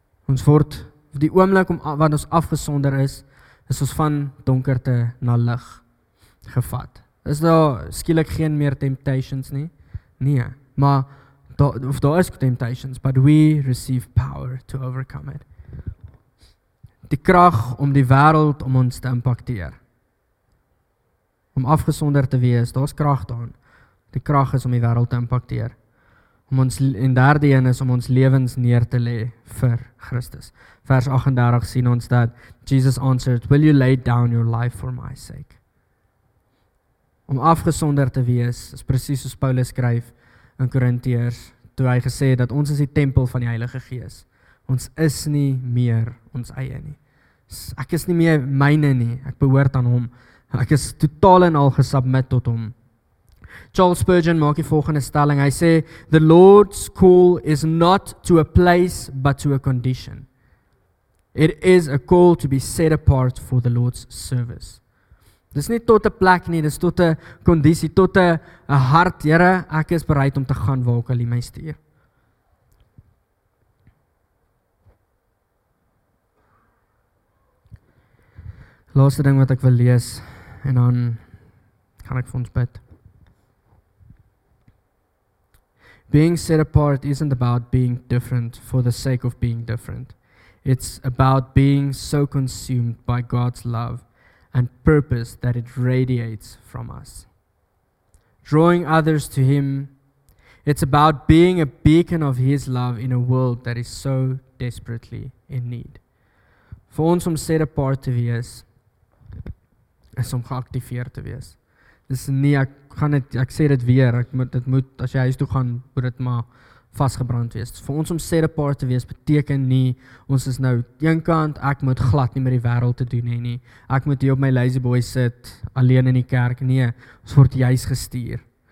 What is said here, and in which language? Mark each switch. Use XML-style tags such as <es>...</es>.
<af>Ons word die oomblik om wat ons afgesonder is, is ons van donkerte na lig gevat. Is daar skielik geen meer temptations nie? Nee, maar daar is</af> <en>temptations, but we receive power to overcome it.</en> <af>Die krag om die wêreld om ons te impakteer. Om afgesonder te wees, daar's krag daarin. Die krag is om die wêreld te impakteer. En derde een is om ons lewens neer te lê vir Christus. Vers 38 sien ons dat</af> <en>Jesus answered, Will you lay down your life for my sake?</en> <af>Om afgesonder te wees, is precies soos Paulus skryf in Korintiërs, toe hy gesê het dat ons is die tempel van die Heilige Gees. Ons is nie meer ons eie nie. Ek is nie meer myne nie, ek behoort aan hom. Ek is totaal en al gesubmit tot hom. Charles Spurgeon maak die volgende stelling. Hy sê,</af> <en>The Lord's call is not to a place, but to a condition. It is a call to be set apart for the Lord's service.</en> <af>Dis nie tot 'n plek nie, dis tot 'n kondisie, tot 'n hart, Here, ek is bereid om te gaan waar ook al U my stuur. Laaste ding wat ek wil lees, en dan gaan ek vir ons bid.</af> <en>Being set apart isn't about being different for the sake of being different. It's about being so consumed by God's love and purpose that it radiates from us. Drawing others to Him It's about being a beacon of His love in a world that is so desperately in need.</en> <af>Vir ons om</af> <en>set apart</en> <af>te wees, is om geaktiveer te wees. Dis nie, ek gaan dit, ek sê dit weer, ek moet, dit moet, as jy huis toe gaan, moet dit maar vastgebrand wees. Vir ons om</af> <en>set apart</en> <af>te wees, beteken nie, ons is nou, een kant, ek moet glad nie met die wereld te doen, nie. Ek moet hier op my lazy boy sit, alleen in die kerk, nee, ons word juist gestuur.</af>